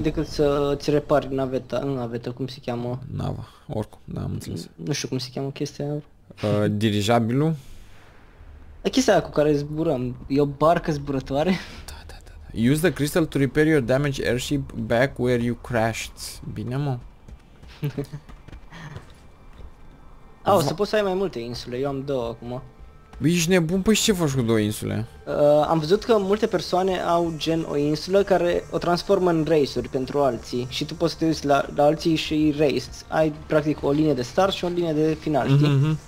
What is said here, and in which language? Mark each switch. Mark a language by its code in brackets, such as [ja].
[ro] decât să ți repari naveta, nu naveta, cum se cheamă? Nava, oricum, da, am înțeles. Nu știu cum se cheamă chestia. Dirijabilul. Chestia aia cu care zburăm, e o barcă zburătoare? Da, da, da. [en] Use the crystal to repair your damaged airship back where you crashed. [ro] Bine, mă? Au, să poți să ai mai multe insule, eu am două acum. Băi, ești nebun? Păi și ce faci cu două insule? Am văzut că multe persoane au gen o insulă care o transformă în race-uri pentru alții. Și tu poți să te uiți la alții și race. Ai, practic, o linie de start și o linie de final, știi?